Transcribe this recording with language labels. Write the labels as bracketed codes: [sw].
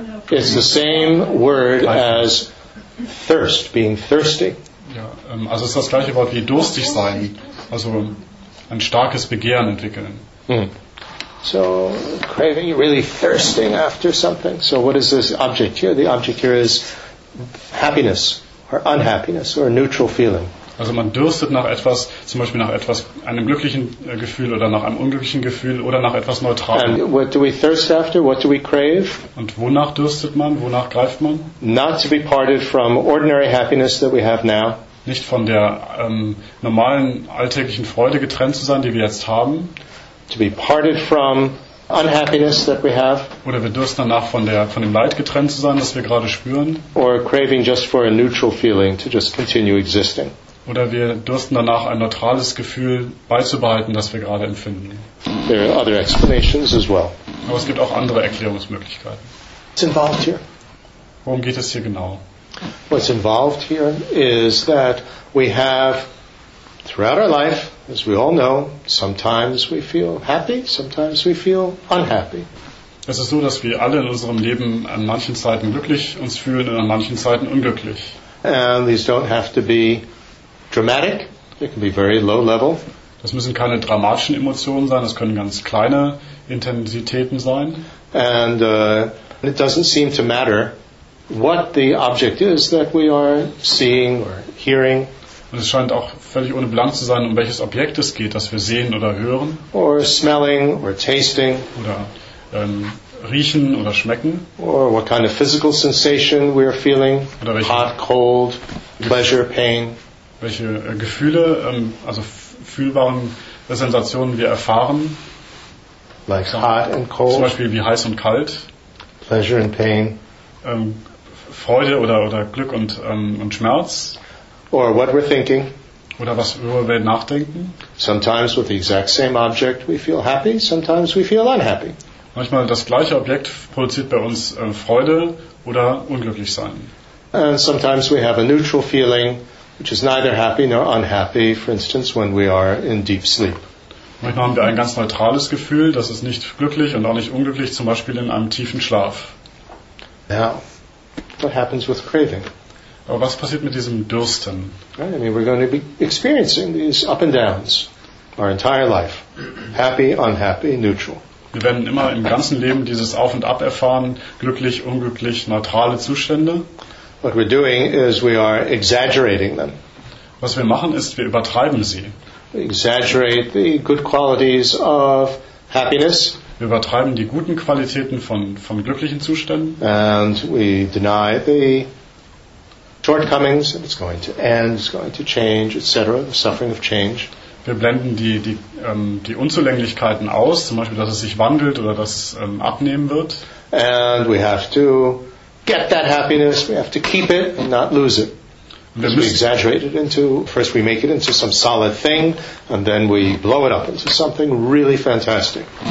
[en] It's the same word greifen as thirst, being thirsty. [de] Ja, also ist das gleiche Wort wie durstig sein. Also ein starkes Begehren entwickeln. [en] Mm. So, craving, you're really thirsting after something. So what is this object here? The object here is happiness or unhappiness or a neutral feeling. [de] Also man dürstet nach etwas, zum Beispiel nach etwas, einem glücklichen Gefühl oder nach einem unglücklichen Gefühl oder nach etwas Neutralem. [en] And what do we thirst after? What do we crave? [de] Und wonach dürstet man? Wonach greift man? [en] Not to be parted from ordinary happiness that we have now. [de] Nicht von der normalen alltäglichen Freude getrennt zu sein, die wir jetzt haben. [en] To be parted from unhappiness that we have. [de] Oder wir dürsten danach von dem Leid getrennt zu sein, das wir gerade spüren. [en] Or craving just for a neutral feeling to just continue existing. [de] Oder wir dürsten danach ein neutrales Gefühl beizubehalten, das wir gerade empfinden. [en] There are other explanations as well. [de] Aber es gibt auch andere Erklärungsmöglichkeiten. [en] What's involved here? [de] Worum geht es hier genau? [en] What's involved here is that we have throughout our life, as we all know, sometimes we feel happy, sometimes we feel unhappy. [de] Es ist so, dass wir alle in unserem Leben an manchen Zeiten glücklich uns fühlen und an manchen Zeiten unglücklich. [en] And these don't have to be dramatic. They can be very low level. [de] Das müssen keine dramatischen Emotionen sein. Das können ganz kleine Intensitäten sein. [en] And it doesn't seem to matter what the object is that we are seeing or hearing. [de] Und es scheint auch völlig ohne Belang zu sein, um welches Objekt es geht, das wir sehen oder hören. [en] Or smelling or tasting. [de] Oder riechen oder schmecken. [en] Or what kind of physical sensation we are feeling. [de] Oder welche, [en] hot, cold, pleasure, pain. [de] Welche Gefühle, also fühlbaren Sensationen wir erfahren. [en] Like hot and cold. [de] Zum Beispiel wie heiß und kalt. [en] Pleasure and pain. [de] Freude oder Glück und Schmerz. [en] Or what we're thinking. [de] Oder was worüber wir nachdenken. [en] Sometimes with the exact same object we feel happy, sometimes we feel unhappy. [de] Manchmal das gleiche Objekt produziert bei uns Freude oder unglücklich sein. [en] And sometimes we have a neutral feeling, which is neither happy nor unhappy, for instance, when we are in deep sleep. [de] Manchmal haben wir ein ganz neutrales Gefühl, das ist nicht glücklich und auch nicht unglücklich, zum Beispiel in einem tiefen Schlaf. [en] Now, what happens with craving? [de] Aber was passiert mit diesem Dürsten? [en] Right, I mean, we're going to be experiencing these up and downs our entire life. Happy, unhappy, neutral. [de] Wir werden immer im ganzen Leben dieses Auf und Ab erfahren, glücklich, unglücklich, neutrale Zustände. [en] What we're doing is we are exaggerating them. [de] Was wir machen ist, wir übertreiben sie. [en] We exaggerate the good qualities of happiness. [de] Wir übertreiben die guten Qualitäten von glücklichen Zuständen. [en] And we deny the shortcomings, it's going to end, it's going to change, etc., the suffering of change. [de] Wir blenden die Unzulänglichkeiten aus, zum Beispiel, dass es sich wandelt oder dass es abnehmen wird. [en] And we have to get that happiness, we have to keep it and not lose it. We exaggerate it into, first we make it into some solid thing and then we blow it up into something really fantastic.